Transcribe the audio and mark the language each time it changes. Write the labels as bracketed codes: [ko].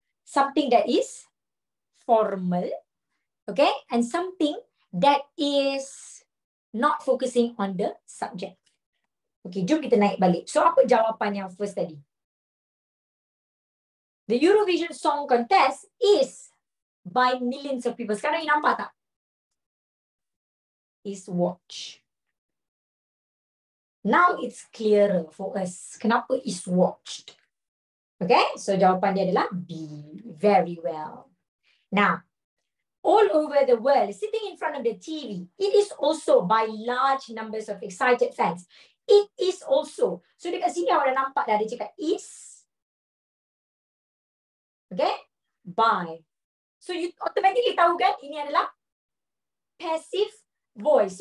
[en] Something that is formal, okay? And something that is not focusing on the subject. Okay, [ms] jom kita naik balik. So, apa jawapan yang [en] first [ms] tadi? [en] The Eurovision Song Contest is by millions of people. [ms] Sekarang ini nampak tak? [en] Is watch. Now it's clearer for us. [ms] Kenapa [en] is watched? [ms] Okay, so jawapan dia adalah B. [en] Very well. Now, all over the world, sitting in front of the TV, it is also by large numbers of excited fans. It is also. [ms] So dekat sini awak dah nampak dah, dia cakap is. [en] Okay, by. So you automatically [ms] tahu kan, ini adalah [en] passive voice.